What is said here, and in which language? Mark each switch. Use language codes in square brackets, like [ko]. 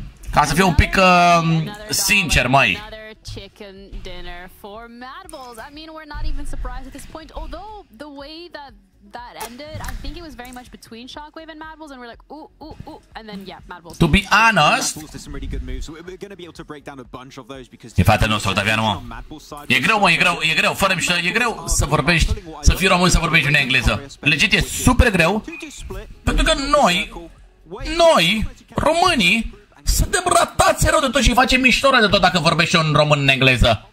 [ro] Ca să fiu un pic sincer, măi. [en] Chicken dinner for Madballs. I mean, we're not even surprised at this point. Although the way that ended, I think it was very much between Shockwave and Madballs, and we're like, ooh, ooh, ooh, and then yeah, Madballs. To be honest, Madballs did some really good moves. We're going to be able to break down a bunch of those because. [ro] De fapt, nu sunt Octavian, mă. E greu, mă, e greu. Fără mișto, e greu să vorbești, să fii român, să vorbești în engleză. Legit, e super greu, pentru că noi, românii. Suntem ratați rău de tot și facem mișto rău de tot dacă vorbești un român în engleză.